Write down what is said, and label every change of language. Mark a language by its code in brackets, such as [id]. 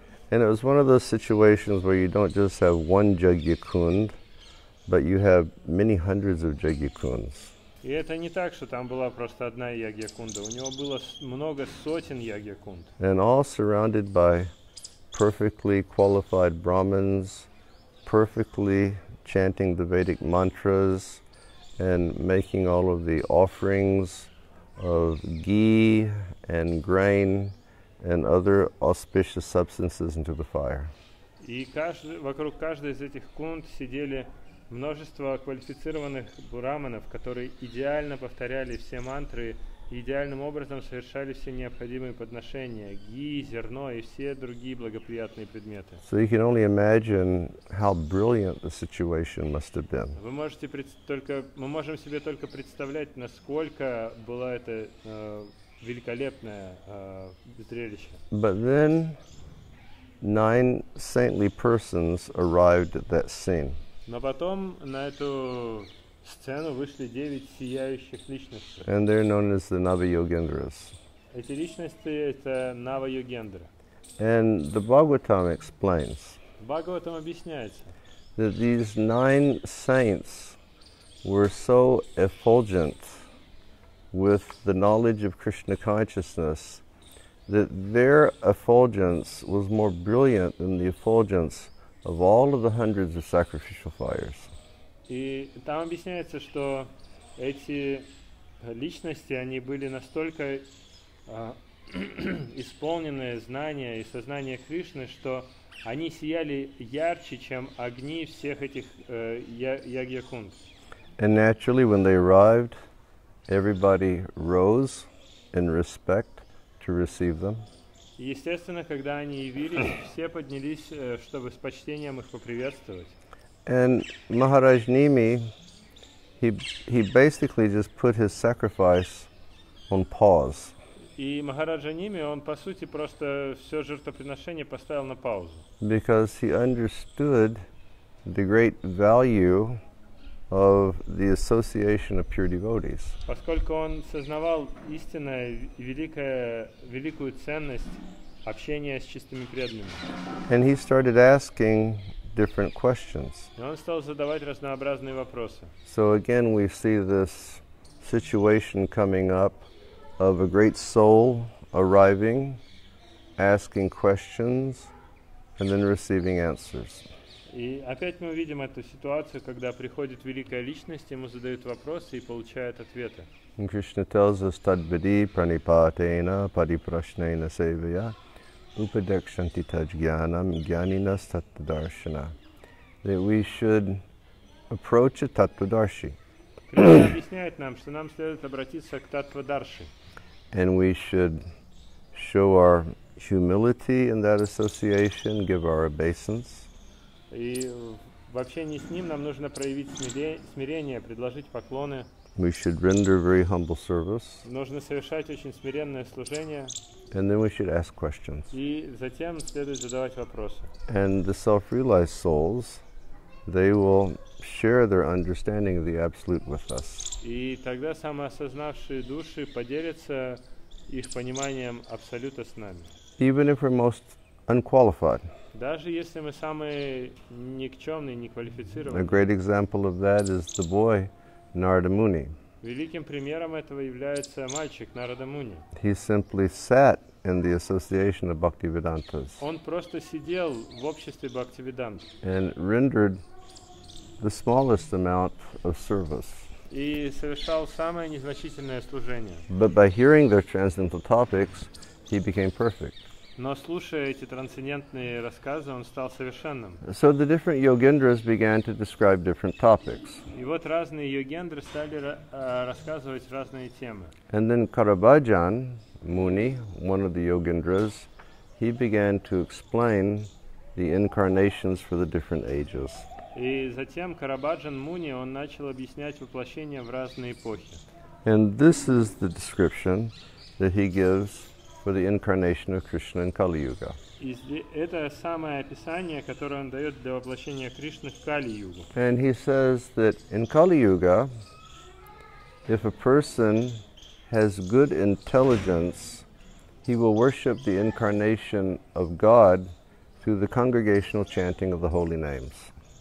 [en] And it was one of those situations where you don't just have one jagyakund, but you have many hundreds of jagyakunds. [ru] И это не так, что там была просто одна ягьякунда. У него было много сотен ягьякунд. [en] And all surrounded by perfectly qualified Brahmins, perfectly chanting the Vedic mantras and making all of the offerings of ghee and grain and other auspicious substances into the fire. [ru] И вокруг каждой из этих кунд сидели множество квалифицированных браманов, которые идеально повторяли все мантры, идеальным образом совершали все необходимые подношения, ги, зерно и все другие благоприятные предметы. [en] So you can only imagine how brilliant the situation must have been. [ru] Мы можем себе только представлять, насколько было это великолепное зрелище. [en] But then 9 saintly persons arrived at that scene. [ru] Но потом на эту сцену вышли 9 сияющих личностей. [en] And they're known as the Navayogendras. [ru] Эти личности — это Навайогендры. [en] And the Bhagavatam explains. [ru] Бхагаватам объясняет. [en] That these 9 saints were so effulgent with the knowledge of Krishna consciousness that their effulgence was more brilliant than the effulgence of all of the hundreds of sacrificial fires. [ru] И там объясняется, что эти личности, они были настолько исполнены знания и сознания Кришны, что они сияли ярче, чем огни всех этих ягьякунд. [en] And naturally, when they arrived, everybody rose in respect to receive them. [ru] Естественно, когда они явились, все поднялись, чтобы с почтением их поприветствовать. [en] And Maharaj Nimi, he basically just put his sacrifice on pause. [ru] И Махараджа Ними, он по сути просто все жертвоприношение поставил на паузу. [en] Because he understood the great value of the association of pure devotees. [ru] Поскольку он сознавал истинную великую ценность общения с чистыми преданными. [en] And he started asking different questions. [ru] И он стал задавать разнообразные вопросы. [en] So again we see this situation coming up of a great soul arriving, asking questions and then receiving answers. [ru] И опять мы видим эту ситуацию, когда приходит великая личность, ему задают вопросы и получают ответы. [en] And Krishna tells us [sa] tadbidi pranipatena padiprashnena sevaya upadekshanti tajjnanam jnanina tattvadarshana. [en] That we should approach a tattvadarshi. [ru] Krishna объясняет нам, что нам следует обратиться к tattvadarshi. [en] And we should show our humility in that association, give our obeisance. [ru] И в общении с ним нам нужно проявить смирение, предложить поклоны. [en] We should render very humble service. [ru] Нужно совершать очень смиренное служение. [en] And then we should ask questions. [ru] И затем следует задавать вопросы. [en] And the self-realized souls, they will share their understanding of the absolute with us. [ru] И тогда самоосознавшие души поделятся их пониманием абсолюта с нами. [en] Even if we're most unqualified. [ru] Даже если мы самые никчемные, неквалифицированные. [en] A great example of that is the boy Narada Muni. [ru] Великим примером этого является мальчик Narada Muni. [en] He simply sat in the association of Bhaktivedantas. [ru] Он просто сидел в обществе Бхактивидант. [en] And rendered the smallest amount of service. [ru] И совершал самое незначительное служение. [en] But by hearing their transcendental topics, he became perfect. [ru] Но слушая эти трансцендентные рассказы, он стал совершенным. [en] So the different yogendras began to describe different topics. [ru] И вот разные йогендры стали рассказывать разные темы. [en] And then Karabajan Muni, one of the yogendras, he began to explain the incarnations for the different ages. [ru] И затем Карабаджан Муни, он начал объяснять воплощения в разные эпохи. [en] And this is the description that he gives for the incarnation of Krishna in Kali Yuga. [ru] Это самое описание, которое он даёт для воплощения Кришны в Кали Югу. [en] And he says that in Kali Yuga, if a person has good intelligence, he will worship the incarnation of God through the congregational chanting of the holy names.